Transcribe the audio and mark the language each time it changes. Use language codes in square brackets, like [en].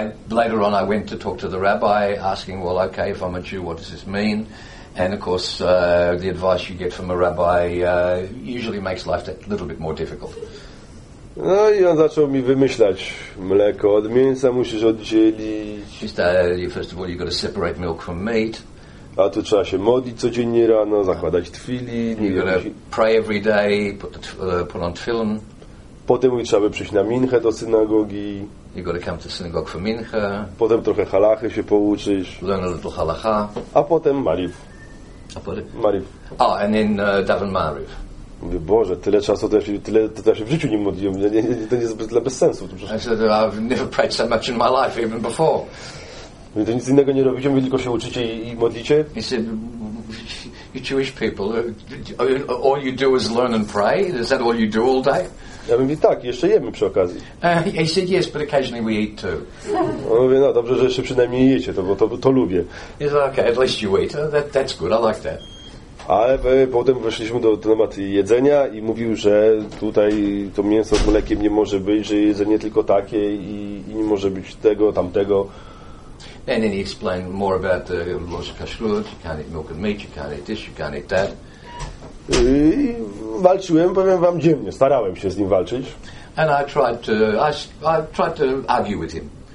[en] Later on I went to talk to the rabbi, asking, well, okay, if I'm a Jew, what does this mean? And of course, the advice you get from a rabbi usually makes life a little bit more difficult. [pl] No i on zaczął mi wymyślać, mleko od mięsa musisz oddzielić. [en] First of all, you've got to separate milk from meat. [pl] A tu trzeba się modlić codziennie rano, zakładać tefilin. [en] Pray every day, put on tefilin. [pl] Potem mówi, trzeba by przyjść na minchę do synagogi. [en] You gotta come to synagogue for minchę. [pl] Potem trochę halachy się pouczyć. [en] Learn a little halacha. [pl] A potem mariv. A potem? Mariv. [en] Oh, and then daven mariv. [pl] Mówię, Boże, tyle czasu, to ja się w życiu nie modliłem. To nie jest bez sensu. [en] I said, I've never prayed so much in my life, even before. [pl] Mówię, to nic innego nie robicie, tylko się uczycie i modlicie. [en] He said, you Jewish people, all you do is learn and pray? Is that all you do all day? [pl] Ja bym mówił, tak, jeszcze jemy przy okazji. [en] He said, yes, but occasionally we eat too. [pl] On mówi, no dobrze, że jeszcze przynajmniej jecie, to, bo to lubię. [en] He said, okay, at least you eat. That's good, I like that. [pl] Ale potem weszliśmy do tematu jedzenia i mówił, że tutaj to mięso z mlekiem nie może być, że jedzenie tylko takie i nie może być tego, tamtego. [en] And then he explained more about the laws of kashrut. You can't eat milk and meat, you can't eat this, you can't eat that. [pl] I walczyłem, powiem wam, dziennie. Starałem się z nim walczyć. [en] And I tried to argue with him.